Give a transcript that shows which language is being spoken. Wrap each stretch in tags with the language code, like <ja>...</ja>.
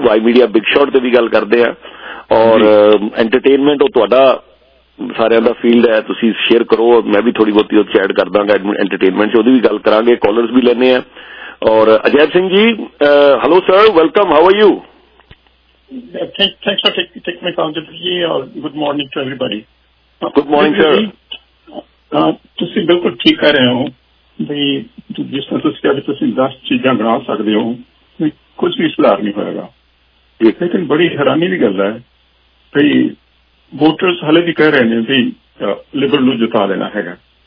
<pa>Y media big short ਤੇ ਵੀ ਗੱਲ ਕਰਦੇ ਆ, ਔਰ ਐਂਟਰਟੇਨਮੈਂਟ ਉਹ ਤੁਹਾਡਾ ਸਾਰਿਆਂ ਦਾ ਫੀਲਡ ਹੈ, ਤੁਸੀਂ ਸ਼ੇਅਰ ਕਰੋ, ਮੈਂ ਵੀ ਥੋੜੀ ਬਹੁਤੀ ਉਹ ਐਡ ਕਰਦਾਂਗਾ ਐਂਟਰਟੇਨਮੈਂਟ ਚ, ਉਹਦੀ ਵੀ ਗੱਲ ਕਰਾਂਗੇ, ਕਾਲਰਸ ਵੀ ਲੈਣੇ ਆ।</pa> <en>ਔਰ Ajaib Singh ji, hello sir, welcome, how are you? Thanks for taking my call, Deepak ji, and good morning to everybody. Good morning, sir.</en> <pa>ਤੁਸੀਂ ਬਿਲਕੁਲ ਠੀਕ ਕਹਿ ਰਹੇ ਹੋ ਵੀ ਜਿਸ ਤਰ੍ਹਾਂ ਤੁਸੀਂ ਕਿਹਾ ਵੀ ਤੁਸੀਂ 10 ਚੀਜ਼ਾਂ ਬਣਾ ਸਕਦੇ ਹੋ, ਕੁਛ ਵੀ ਸੁਧਾਰ ਨਹੀਂ ਹੋਏਗਾ। ਲੇਕਿਨ ਬੜੀ ਹੈਰਾਨੀ ਦੀ ਗੱਲ ਹੈ ਵੀ ਵੋਟਰਸ ਹਲੇ ਵੀ ਕਹਿ ਰਹੇ ਨੇ ਵੀ ਲਿਬਰਲ ਨੂੰ ਜਿਤਾ ਦੇਣਾ ਹੈਗਾ।</pa>